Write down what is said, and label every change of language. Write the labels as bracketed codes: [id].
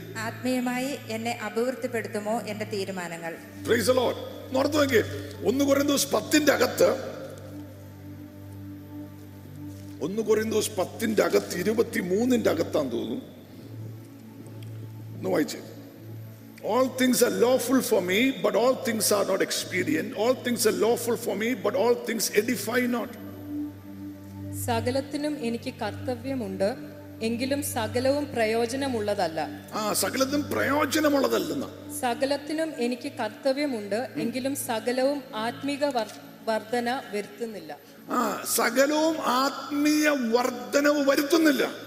[ml] ആത്മീയമായി എന്നെ അഭിവൃദ്ധിപ്പെടുത്തുമോ എന്റെ തീരുമാനങ്ങൾ? [en] Praise the Lord. [ml] ഓർത്തു നോക്കിയേ, 1 കൊരിന്ത്യസ് 10 1 കൊരിന്ത്യസ് 10 23 അകത്താന്ന് തോന്നുന്നു, വായിച്ചേ. [en] All things are lawful for me, but all things are not expedient. All things are lawful for me, but all things edify not. [ml] സകലത്തിനും എനിക്ക് കർത്തവ്യമുണ്ട്, എങ്കിലും സകലവും പ്രയോജനമുള്ളതല്ല. സകലത്തിനും പ്രയോജനമുള്ളതല്ല. സകലത്തിനും എനിക്ക് കർത്തവ്യമുണ്ട്, എങ്കിലും സകലവും ആത്മീയ വർധന വരുത്തുന്നില്ല. സകലവും ആത്മീയ വർധനവ് വരുത്തുന്നില്ല.